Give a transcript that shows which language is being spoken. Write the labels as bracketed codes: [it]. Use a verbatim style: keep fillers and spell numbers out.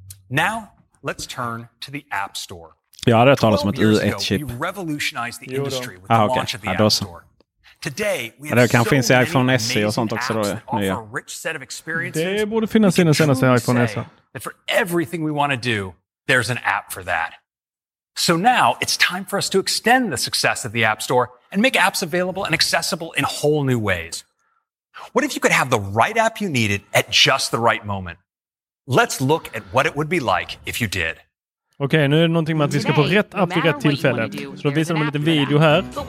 [en] Now, let's turn to the App Store. [sv] Jag hade talat om ett U ett-chip. Ah, okej. Okay. Ja, då så. Men det kan finnas i iPhone S E och sånt också. Då, nya. Det borde finnas i den senaste iPhone S E. [en] For everything we want to do, there's an app for that. So now it's time for us to extend the success of the App Store and make apps available and accessible in whole new ways. What if you could have the right app you needed at just the right moment? Let's look at what it would be like if you did. [sv] Okej, okay, nu är det någonting med att vi ska få rätt app vid rätt tillfälle. Så då visar de en liten video här.